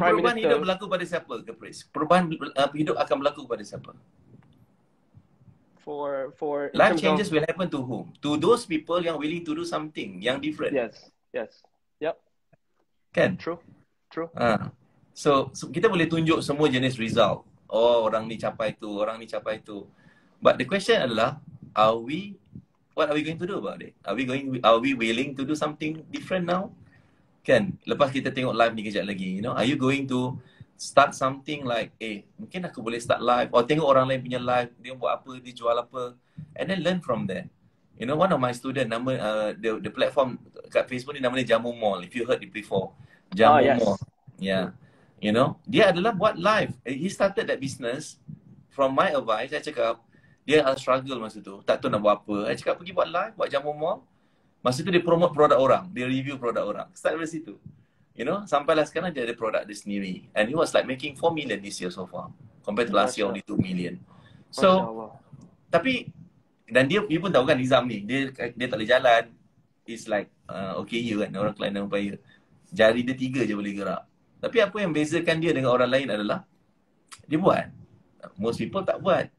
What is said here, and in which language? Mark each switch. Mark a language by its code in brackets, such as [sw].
[ms] And perubahan hidup berlaku pada siapa, Kepris? Perubahan hidup akan berlaku pada siapa? [en] For life changes will happen to whom? To those people yang willing to do something yang different. Yes. Yep. [ms] Kan? [en] True. [ms] So kita boleh tunjuk semua jenis result. Oh, orang ni capai tu. [en] But the question adalah, what are we going to do about it? Are we willing to do something different now? Kan, lepas kita tengok live ni kejap lagi, you know, are you going to start something like, [ms] mungkin aku boleh start live, [en] or tengok orang lain punya live, dia buat apa, dia jual apa, and then learn from that. You know, one of my student, the platform kat Facebook ni nama dia Jamu Mall, if you heard it before. Jamu Mall. Yeah. [ms] You know, dia adalah buat live. [en] He started that business, from my advice, [ms] I cakap, dia struggle masa tu. Tak tahu nak buat apa. Dia cakap pergi buat live, buat jamu mall. Masa tu dia promote produk orang. Dia review produk orang. Start dari situ. You know, sampailah sekarang dia ada produk dia sendiri. [en] And he was like making 4 million this year so far. Compared to last year only 2 million. So, [ms] tapi, dan dia pun tahu kan Nizam ni. Dia tak boleh jalan. It's like, okay you kan. Orang lain dan upaya. Jari dia 3 je boleh gerak. Tapi apa yang bezakan dia dengan orang lain adalah, dia buat. [en] Most people [ms] tak buat.